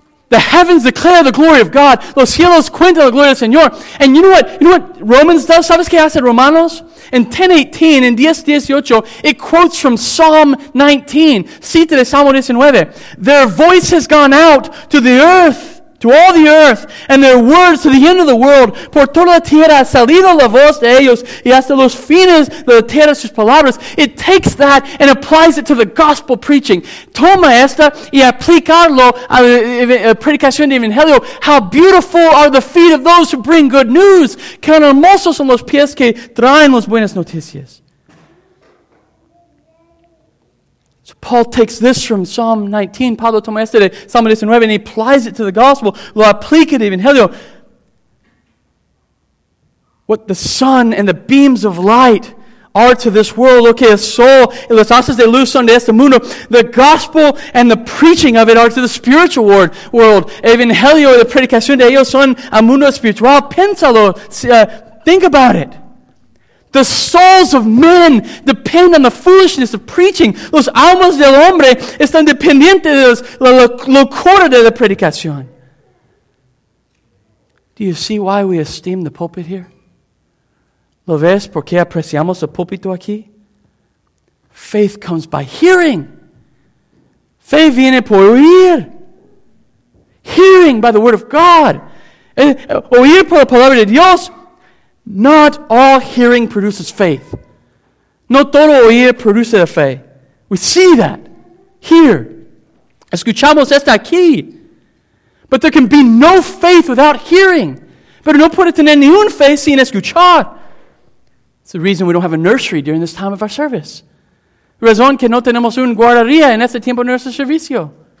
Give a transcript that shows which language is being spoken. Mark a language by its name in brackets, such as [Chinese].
[English] The heavens declare the glory of God. [Spanish] Los cielos cuentan la gloria del Señor. [English] And you know what? You know what Romans does? [Spanish] ¿Sabes qué hace Romanos? [English] In 10:18, in 10:18, it quotes from Psalm 19. [Spanish] Cita de Salmo 19. [English] Their voice has gone out to the earth, to all the earth, and their words to the end of the world. [Spanish] Por toda la tierra ha salido la voz de ellos, y hasta los fines de la tierra sus palabras. [English] It takes that and applies it to the gospel preaching. [Spanish] Toma esta y aplicarlo a la predicación de Evangelio. [English] How beautiful are the feet of those who bring good news. [Spanish] Que hermosos son los pies que traen las buenas noticias. [English] Paul takes this from Psalm 19, [Spanish] Pablo toma este de Psalm 19, [English] and he applies it to the gospel. [Spanish] Lo aplica de Evangelio. [English] What the sun and the beams of light are to this world, [Spanish] lo que el sol y los astros de luz son de este mundo, [English] the gospel and the preaching of it are to the spiritual world. [Spanish] Evangelio y la predicación de ellos son al mundo espiritual. Piénsalo, [English] think about it. The souls of men depend on the foolishness of preaching. [Spanish] Los almas del hombre están dependientes de la locura de la predicación. [English] Do you see why we esteem the pulpit here? [Spanish] ¿Lo ves por qué apreciamos el púlpito aquí? [English] Faith comes by hearing. [Spanish] Fe viene por oír. [English] Hearing by the word of God. [Spanish] Oír por la palabra de Dios. [English] Not all hearing produces faith. [Spanish] No todo oír produce la fe. [English] We see that here. [Spanish] Escuchamos esta aquí. [English] But there can be no faith without hearing. [Spanish] Pero no puede tener ni un fe sin escuchar. [English] It's the reason we don't have a nursery during this time of our service. [Spanish] Razón que no tenemos un guardería en este tiempo de nuestro servicio.